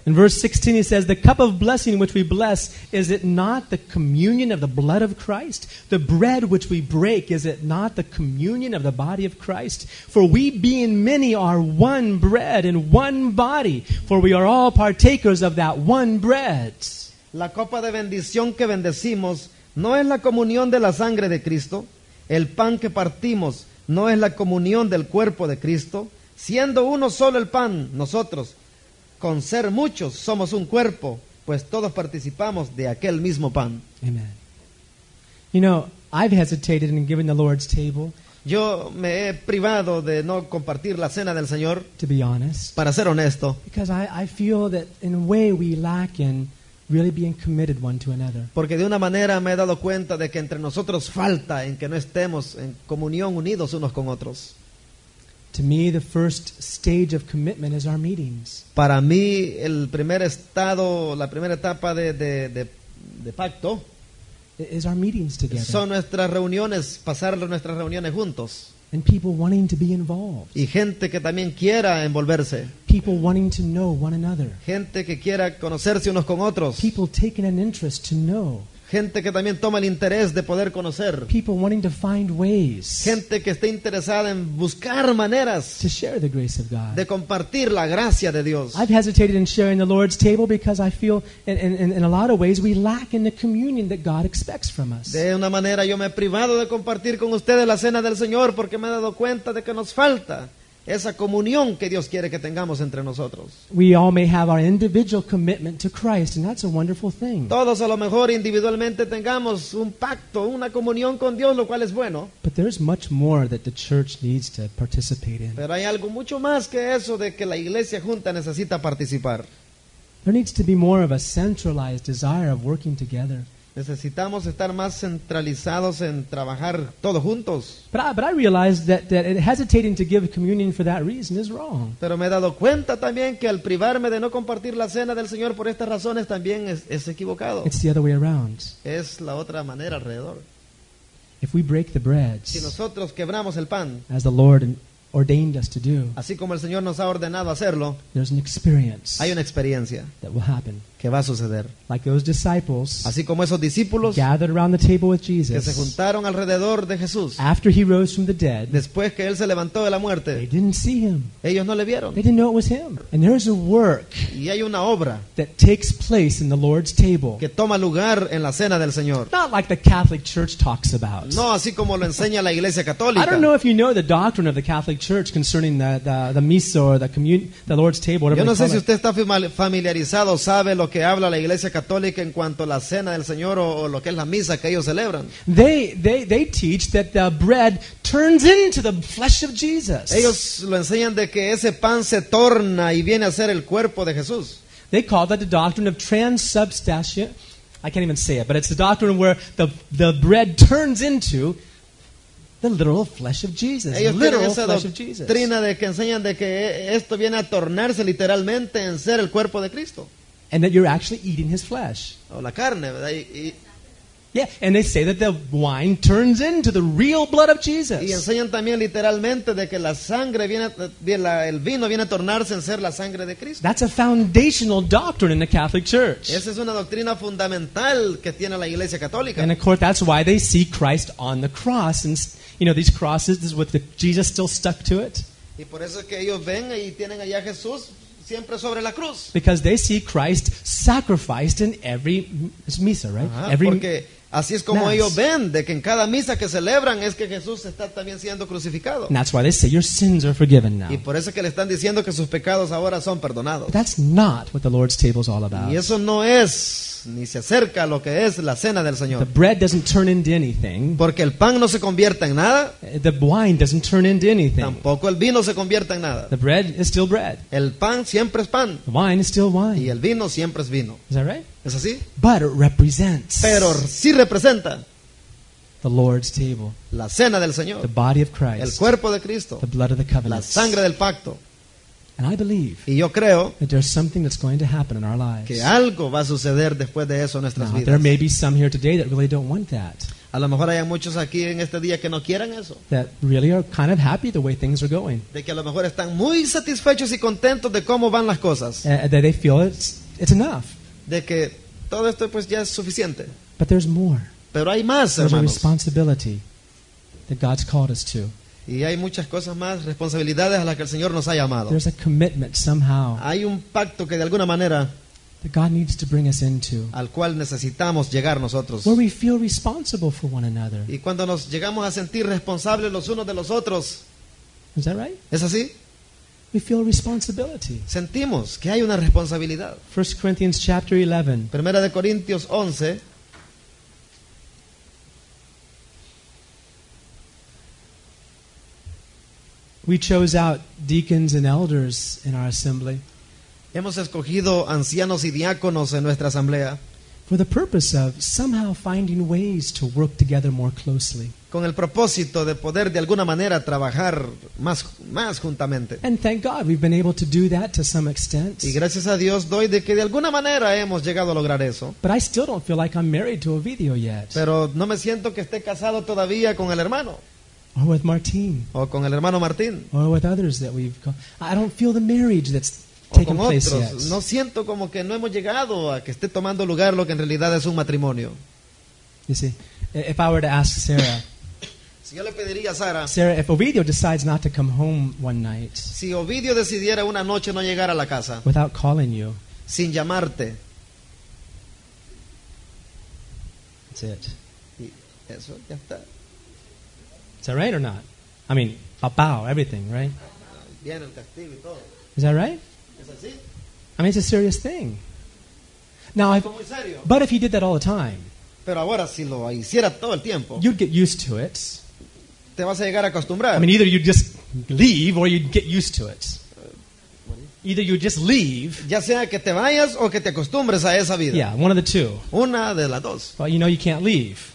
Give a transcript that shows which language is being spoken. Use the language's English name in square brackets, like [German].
[English] In verse 16 he says, the cup of blessing which we bless, is it not the communion of the blood of Christ? The bread which we break, is it not the communion of the body of Christ? For we being many are one bread and one body, for we are all partakers of that one bread. [Spanish] La copa de bendición que bendecimos no es la comunión de la sangre de Cristo. El pan que partimos no es la comunión del cuerpo de Cristo. Siendo uno solo el pan, nosotros, con ser muchos, somos un cuerpo, pues todos participamos de aquel mismo pan. Amen. [English] You know, I've hesitated in giving the Lord's table. [Spanish] Yo me he privado de no compartir la cena del Señor. [English] To be honest. [Spanish] Para ser honesto. [English] Because I feel that in a way we lack in really being committed one to another. [Spanish] Porque de una manera me he dado cuenta de que entre nosotros falta en que no estemos en comunión unidos unos con otros. [English] To me, the first stage of commitment is our meetings. [Spanish] Para mí, el primer estado, la primera etapa de pacto [English] is our meetings together. [Spanish] Son nuestras reuniones, pasar nuestras reuniones juntos. [English] And people wanting to be involved. [Spanish] Y gente que también quiera envolverse. [English] People wanting to know one another. [Spanish] Gente que quiera conocerse unos con otros. [English] People taking an interest to know. [Spanish] Gente que también toma el interés de poder conocer. [English] People wanting to find ways. [Spanish] Gente que esté interesada en buscar maneras. [English] To share the grace of God. [Spanish] De compartir la gracia de Dios. [English] I've hesitated in sharing the Lord's table because I feel, in a lot of ways, we lack in the communion that God expects from us. [Spanish] De una manera yo me he privado de compartir con ustedes la cena del Señor porque me he dado cuenta de que nos falta esa comunión que Dios quiere que tengamos entre nosotros. [English] We all may have our individual commitment to Christ, and that's a wonderful thing. [Spanish] Todos a lo mejor individualmente tengamos un pacto, una comunión con Dios, lo cual es bueno. [English] But there's much more that the church needs to participate in. [Spanish] Pero hay algo mucho más que eso de que la iglesia junta necesita participar. [English] There needs to be more of a centralized desire of working together. [Spanish] Necesitamos estar más centralizados en trabajar todos juntos. [English] But I realize that hesitating to give communion for that reason is wrong. [Spanish] Pero me he dado cuenta también que al privarme de no compartir la cena del Señor por estas razones también es equivocado. [English] It's the other way around. [Spanish] Es la otra manera alrededor. [English] If we break the bread, [Spanish] si nosotros quebramos el pan, [English] as the Lord ordained us to do, [Spanish] así como el Señor nos ha ordenado hacerlo, [English] there's an experience, [Spanish] hay una experiencia [English] that will happen, [Spanish] que va a suceder. [English] Like those disciples, [Spanish] así como esos discípulos, [English] gathered around the table with Jesus, [Spanish] que se juntaron alrededor de Jesús, [English] after he rose from the dead, [Spanish] después que él se levantó de la muerte, [English] they didn't see him, [Spanish] ellos no le vieron, [English] they didn't know it was him. And there's a work, [Spanish] y hay una obra, [English] that takes place in the Lord's table, [Spanish] que toma lugar en la cena del Señor. [English] Not like the Catholic Church talks about. [Spanish] No, así como lo enseña la Iglesia Católica. [English] I don't know if you know the doctrine of the Catholic Church concerning the misa or the Lord's table, whatever. [Spanish] Yo no sé si usted está familiarizado, sabe lo que habla la Iglesia Católica en cuanto a la cena del Señor o lo que es la misa que ellos celebran. [English] They teach that the bread turns into the flesh of Jesus. [Spanish] Ellos lo enseñan de que ese pan se torna y viene a ser el cuerpo de Jesús. [English] They call that the doctrine of transubstantiation. I can't even say it, but it's the doctrine where the bread turns into the literal flesh of Jesus. [Spanish] Ellos tienen esa [English] flesh of Jesus. [Spanish] Trina de que enseñan de que esto viene a tornarse literalmente en ser el cuerpo de Cristo. [English] And that you're actually eating his flesh. [Spanish] O la carne. [English] Yeah, and they say that the wine turns into the real blood of Jesus. [Spanish] Y enseñan también literalmente de que la sangre el vino viene a tornarse en ser la sangre de Cristo. [English] That's a foundational doctrine in the Catholic Church. [Spanish] Esa es una doctrina fundamental que tiene la Iglesia Católica. [English] And of course, that's why they see Christ on the cross, and you know these crosses, this is with Jesus still stuck to it. [Spanish] Y por eso es que ellos ven y tienen allá Jesús siempre sobre la cruz. [English] Because they see Christ sacrificed in every misa, right? [Spanish] Porque Así es como ellos ven de que en cada misa que celebran es que Jesús está también siendo crucificado. [English] That's why they say your sins are forgiven now. [Spanish] Y por eso que le están diciendo que sus pecados ahora son perdonados. [English] That's not what the Lord's table is all about. [Spanish] Y eso no es ni se acerca a lo que es la cena del Señor. [English] The bread doesn't turn into anything. [Spanish] Porque el pan no se convierte en nada. [English] The wine doesn't turn into anything. [Spanish] Tampoco el vino se convierte en nada. [English] The bread is still bread. [Spanish] El pan siempre es pan. [English] The wine is still wine. [Spanish] Y el vino siempre es vino. [English] Is that right? [Spanish] ¿Es así? [English] But it represents. [Spanish] Pero sí representa. [English] The Lord's table. [Spanish] La cena del Señor. [English] The body of Christ. [Spanish] El cuerpo de Cristo. [English] The blood of the covenant. [Spanish] La sangre del pacto. [English] And I believe. [Spanish] Y yo creo. [English] That there's something that's going to happen in our lives. [Spanish] Que algo va a suceder después de eso en nuestras [English] now, [Spanish] vidas. [English] There may be some here today that really don't want that. [Spanish] A lo mejor hay muchos aquí en este día que no quieran eso. [English] That really are kind of happy the way things are going. [Spanish] De que a lo mejor están muy satisfechos y contentos de cómo van las cosas. [English] That they feel it's enough. [Spanish] De que todo esto pues ya es suficiente. [English] But there's more. [Spanish] Pero hay más, hermanos. [English] There's a responsibility that God's called us to. [Spanish] Y hay muchas cosas más, responsabilidades a las que el Señor nos ha llamado. [English] There's a commitment somehow. [Spanish] Hay un pacto que de alguna manera [English] that God needs to bring us into. [Spanish] Al cual necesitamos llegar nosotros. [English] Where we feel responsible for one another. [Spanish] Y cuando nos llegamos a sentir responsables los unos de los otros. [English] Is that right? [Spanish] ¿Es así? [English] We feel responsibility. [Spanish] Sentimos que hay una responsabilidad. [English] 1 Corinthians chapter 11. [Spanish] Primera de Corintios 11. [English] We chose out deacons and elders in our assembly. [Spanish] Hemos escogido ancianos y diáconos en nuestra asamblea. [English] For the purpose of somehow finding ways to work together more closely. [Spanish] Con el propósito de poder de alguna manera trabajar más juntamente. [English] And thank God we've been able to do that to some extent. [Spanish] Y gracias a Dios doy de que de alguna manera hemos llegado a lograr eso. [English] But I still don't feel like I'm married to Ovidio yet. [Spanish] Pero no me siento que esté casado todavía con el hermano. [English] Or with Martín. [Spanish] O con el hermano Martín. [English] Or with others that we've called. I don't feel the marriage that's [Spanish] con otros. No siento como que no hemos llegado a que esté tomando lugar lo que en realidad es un matrimonio. [English] You see, if I were to ask Sarah, [Spanish] si yo le pediría a Sara, [English] Sarah, if Ovidio decides not to come home one night, [Spanish] si Ovidio decidiera una noche no llegar a la casa, [English] without calling you, [Spanish] sin llamarte, [English] that's it. [Spanish] Eso ya está. [English] Is that right or not? I mean, papao, everything, right? [Spanish] Bien, el castigo y todo. [English] Is that right? I mean, it's a serious thing. Now, but if he did that all the time, [Spanish] pero ahora, si lo hiciera todo el tiempo, [English] you'd get used to it. [Spanish] Te vas a llegar a acostumbrar. [English] I mean, either you'd just leave or you'd get used to it. Either you'd just leave. [Spanish] Ya sea que te vayas o que te acostumbres a esa vida. [English] Yeah, one of the two. [Spanish] Una de las dos. [English] Well, you know you can't leave.